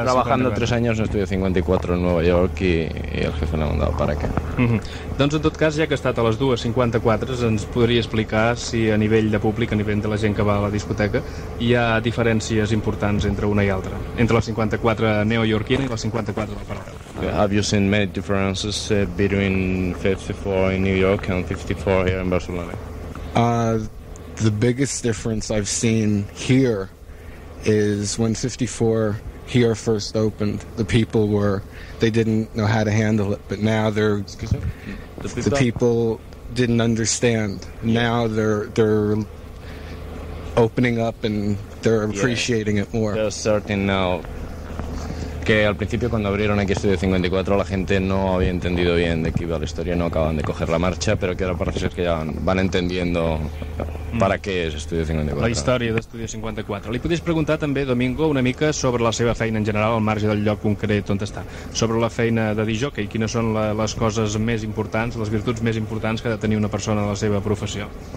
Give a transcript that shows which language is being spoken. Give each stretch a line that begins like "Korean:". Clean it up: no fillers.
Spanish: Estuve trabajando 3 años en Studio 54 en Nueva York y el jefe l'ha mandado para acá.
Catalan: Doncs en tot cas, ja que ha estat a les dues 54, ens podria explicar si a nivell de públic, a nivell de la gent que va a la discoteca, hi ha diferències importants entre una i altra, entre la 54 neoyorquina i la 54 del paral·lel.
English: Have you seen many differences between 54 in New York and 54 here in Barcelona? The biggest difference I've seen here is when 54 here first opened, the people were, they didn't know how to handle it, but now they're, the people didn't understand. Yeah. Now they're opening up and they're appreciating it more. They're certain now.
Spanish: Que al principio cuando abrieron aquí Studio 54 la gente no había entendido bien de qué iba la historia, no acaban de coger la marcha, pero que ahora parece ser que ya van entendiendo para qué es Studio 54.
Catalan: La història d'Studio 54. Li podies preguntar també, Domingo, una mica sobre la seva feina en general, al marge del lloc concret on està, sobre la feina de disc jockey, quines són les coses més importants, les virtuts més importants que ha de tenir una persona en la seva professió.